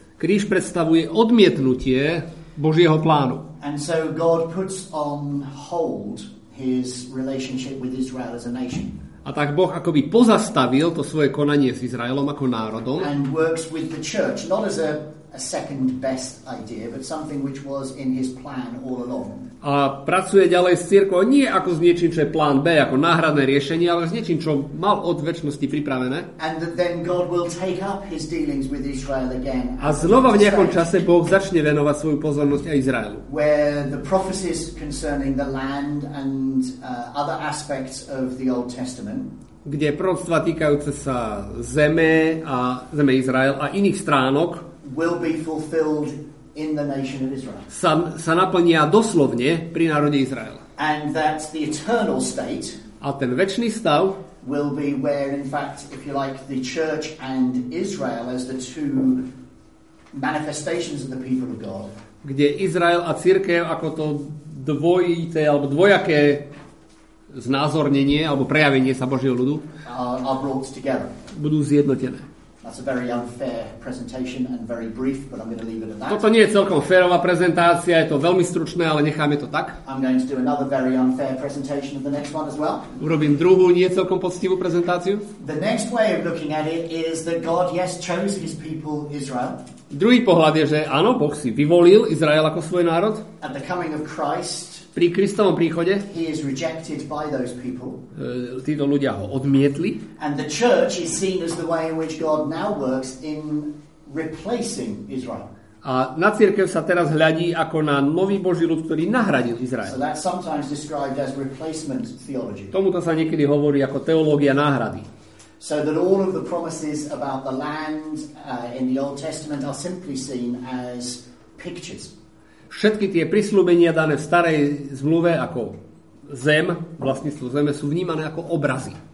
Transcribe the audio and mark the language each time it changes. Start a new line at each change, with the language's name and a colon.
Slovak: Kríž predstavuje odmietnutie Božieho plánu.
English: And so God puts on hold his relationship with Israel as a nation.
Slovak: A tak Boh akoby pozastavil to svoje konanie s Izraelom ako národom.
English: And works with the church, not as a second best idea, but something which was in his plan all along.
Slovak: A pracuje ďalej s cirkvou nie ako s niečím, čo je plán B, ako náhradné riešenie, ale s niečím, čo mal od večnosti pripravené.
English: And then God will take up his dealings with Israel again.
Slovak: A znova v nejakom čase Boh začne venovať svoju pozornosť aj Izraelu.
English: Where the prophecies concerning the land and other aspects of the Old Testament.
Slovak: Kde proroctvá týkajúce sa zeme a zeme Izrael a iných stránok
English: will be fulfilled in the nation of Israel.
Slovak: Sa naplnia doslovne pri národe Izraela.
English: And that the eternal state,
Slovak: a ten večný stav,
English: will be where in fact if you like the church and Israel as the two manifestations of the people of God.
Slovak: Kde Izrael a cirkev ako to dvojité alebo dvojaké znázornenie alebo prejavenie sa Božieho ľudu
English: are brought together.
Slovak: Budú zjednotené.
English: That's a very unfair presentation and very brief, but I'm going to leave it at that.
Slovak: Toto nie je celkom férová prezentácia, je to veľmi stručné, ale necháme to tak.
English: I'm going to do another very unfair presentation of the next one as well.
Slovak: Urobím druhú nie celkom poctivú prezentáciu.
English: The next way of looking at it is that God, yes, chose his people Israel.
Slovak: Druhý pohľad je, že áno, Boh si vyvolil Izrael ako svoj národ.
English: At the coming of Christ,
Slovak: pri Kristovom príchode,
English: he is rejected by those people.
Slovak: Títo ľudia ho odmietli.
English: And the church is seen as the way in which God now works in replacing Israel.
Slovak: A na cirkev sa teraz hľadí ako na nový Boží ľud, ktorý nahradil Izrael.
English: So that's sometimes described as replacement theology.
Slovak: Tomuto sa niekedy hovorí ako teológia náhrady.
English: So that all of the promises about the land in the Old Testament are simply seen as pictures.
Slovak: Všetky tie prisľúbenia dané v starej zmluve ako zem, vlastníctvo zeme sú vnímané ako obrazy.